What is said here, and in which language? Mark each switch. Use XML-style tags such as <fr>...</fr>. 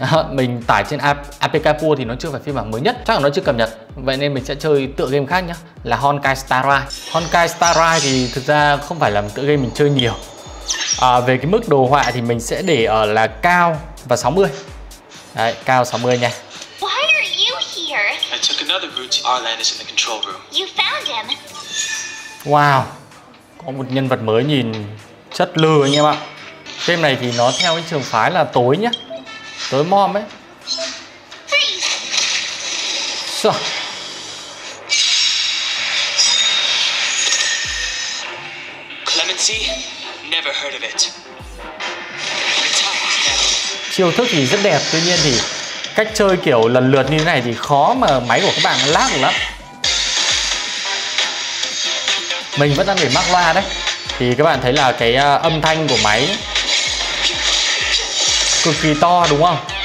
<vi>Mình tải trên APK Pool thì nó chưa phải phiên bản mới nhất, chắc là nó chưa cập nhật. Vậy nên mình sẽ chơi tựa game khác nhá, là Honkai Star Rail. Honkai Star Rail thì thực ra không phải là một tựa game mình chơi nhiều. Về cái mức đồ họa thì mình sẽ để ở là cao và 60. Đấy, cao 60 nha.</vi> <en>Why are you here? I took another route to Arlandis in the control room. You found him.</en> <vi>Wow, có một nhân vật mới nhìn chất lừ anh em ạ. Game này thì nó theo cái trường phái là tối nhá, tối mom ấy. Sao?</vi> <en>Clemency, never heard of it.</en> <vi>Chiêu thức thì rất đẹp, tuy nhiên thì cách chơi kiểu lần lượt như thế này thì khó mà máy của các bạn nó lag lắm. Mình vẫn đang để mắc loa đấy, thì các bạn thấy là cái âm thanh của máy cực kỳ to đúng không?</vi>